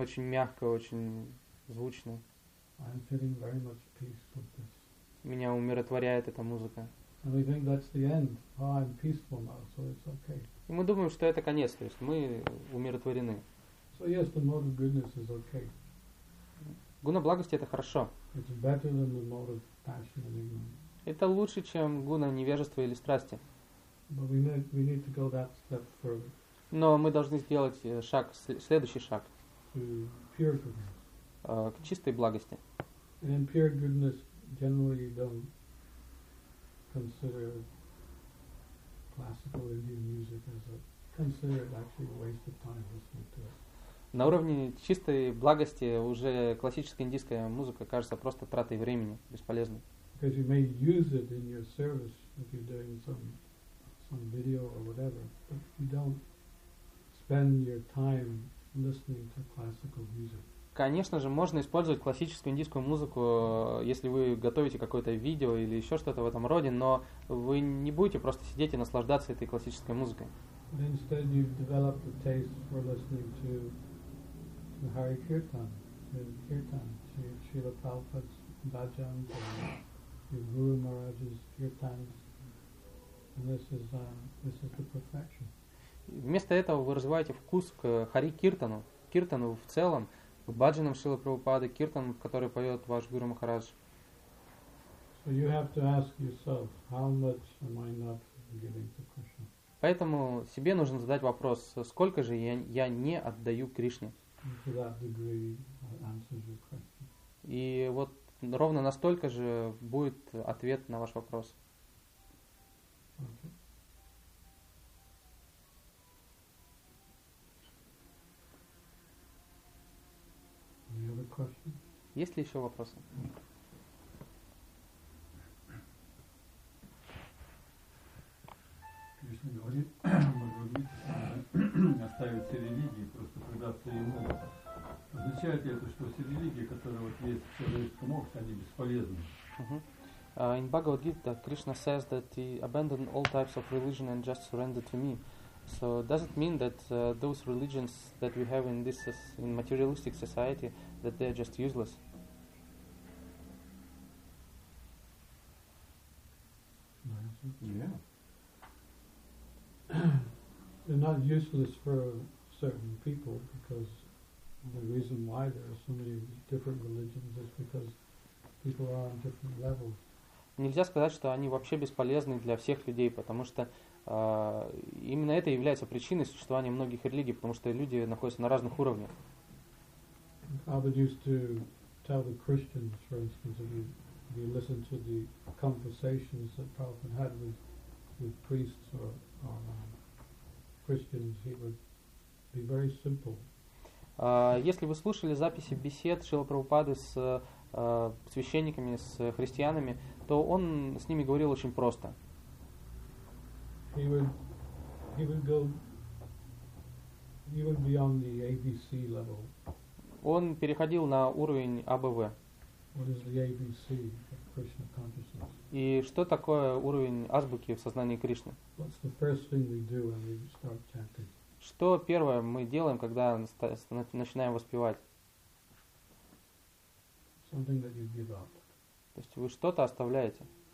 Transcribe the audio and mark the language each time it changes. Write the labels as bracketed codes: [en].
[ru] Очень мягко, очень звучно. [en] I'm feeling very much peace with this. [ru] Меня умиротворяет эта музыка. [en] And we think that's the end. Oh, I'm peaceful now, so it's okay. [ru] И мы думаем, что это конец, то есть мы умиротворены. [en] So yes, the mode of goodness is okay. [ru] Гуна благости – это хорошо. [en] It's better than the mode of passion and ignorance. [ru] Это лучше, чем гуна невежества или страсти. [en] But we need to go that step further. [ru] Но мы должны сделать шаг, следующий шаг. [en] To pure goodness. [ru] К чистой благости. [en] And pure goodness generally don't consider classical Indian music as a considered actually a waste of time listening to it. [ru] На уровне чистой благости уже классическая индийская музыка кажется просто тратой времени, бесполезной. [en] Because you may use it in your service if you're doing some video or whatever, but you don't spend your time listening to classical music. [ru] Конечно же, можно использовать классическую индийскую музыку, если вы готовите какое-то видео или еще что-то в этом роде, но вы не будете просто сидеть и наслаждаться этой классической музыкой. [en] But instead you've developed a taste for listening to the Hare Kirtan, to Srila Prabhupada's bhajans, to Guru Maharaj's kirtans, and this is the perfection. [ru] Вместо этого вы развиваете вкус к Хари Киртану, киртану в целом, к бхаджанам Шрилы Прабхупады, киртанам, который поет ваш Гуру Махарадж. [en] So you have to ask yourself, how much am I not giving to Krishna? [ru] Поэтому себе нужно задать вопрос, сколько же я не отдаю Кришне? [en] And to that degree answers your question. [ru] И вот ровно настолько же будет ответ на ваш вопрос. [en] Okay. Any other questions? [ru] Есть ли еще вопросы? Кришна говорит, может быть, оставить все религии, просто предаться ему. Означает ли это, что все религии, которые вот есть в человеческом обществе, они бесполезны? [en] In Bhagavad Gita, Krishna says that he abandoned all types of religion and just surrendered to me. So does it mean that those religions that we have in this in materialistic society, that they are just useless? Yeah. They're not useless for certain people, because the reason why there are so many different religions is because people are on different levels. [ru] Нельзя сказать, что они вообще бесполезны для всех людей, потому что именно это является причиной существования многих религий, потому что люди находятся на разных уровнях. [en] Prabhupada used to tell the Christians, for instance, if you listen to the conversations that Prabhupada had with priests or Christians, he would be very simple. [ru] Если вы слушали записи бесед Шрилы Прабхупады с священниками, с христианами, то он с ними говорил очень просто. [en] He would beyond the ABC level. [ru] Он переходил на уровень АБВ. [en] What is the ABC of Krishna consciousness? [ru] И что такое уровень азбуки в сознании Кришны? [en] What's the first thing we do when we start chanting? [ru] Что первое мы делаем, когда начинаем воспевать? [en] Something that you give up. [ru] То есть вы что-то оставляете.